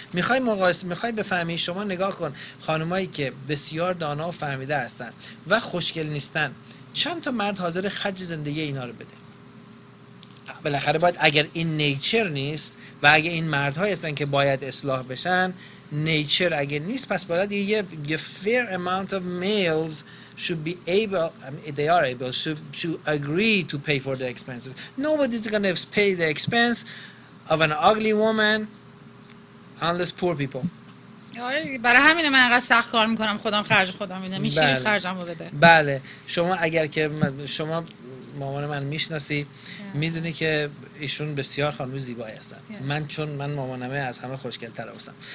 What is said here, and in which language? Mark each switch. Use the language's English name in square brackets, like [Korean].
[Persian] میخوای مقایسه، میخوای بفهمی، شما نگاه کن خانمایی که بسیار دانا و فهمیده هستن و خوشگل نیستن، چند تا مرد حاضر خرج زندگی اینا رو بده؟ بالاخره باید، اگر این نیچر نیست و اگه این مردهای هستن که باید اصلاح بشن، نیچر اگه نیست، پس باید یه [English] fair amount of males should be able, they are able, should agree to pay for the expenses. Nobody's gonna pay the expense of an ugly woman unless poor people. [Persian] برای همینه من اینقدر سخت کار میکنم، خودم خرج خودم میدم، میشه نیست خرجم رو بده. بله، شما اگر که شما مامان من میشناسی، میدونی که ایشون بسیار خانم زیبایی هستن. من چون من مامانمه از همه خوشگل‌تر هستم.